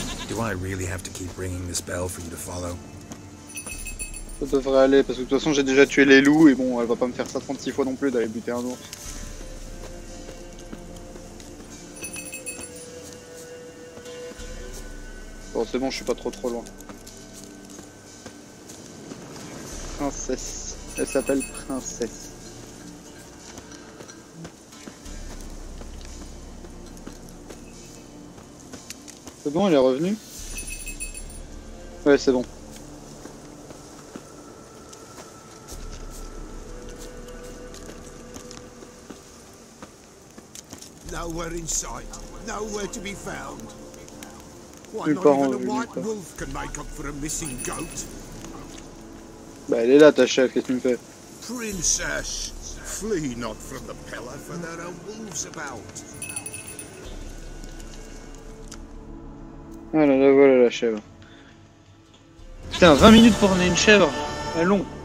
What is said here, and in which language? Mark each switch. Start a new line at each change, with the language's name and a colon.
English: Do I really have to keep ringing this bell for you to follow?
French: Ça devrait aller, parce que de toute façon j'ai déjà tué les loups et bon, elle va pas me faire ça 36 fois non plus d'aller buter un ours. Bon, c'est bon, je suis pas trop loin. Princesse. Elle s'appelle Princesse. C'est bon, elle est revenue. Ouais, c'est bon.
English: Nowhere in sight, nowhere to be found. Why not even a white wolf can make up for a missing goat?
French: Bah, elle est là, ta chef, qu'est-ce que tu me fais?
English: Princess, flee not from the pillar, for there are wolves about.
French: Ah là là, voilà la chèvre. Putain, 20 minutes pour emmener une chèvre. Allons.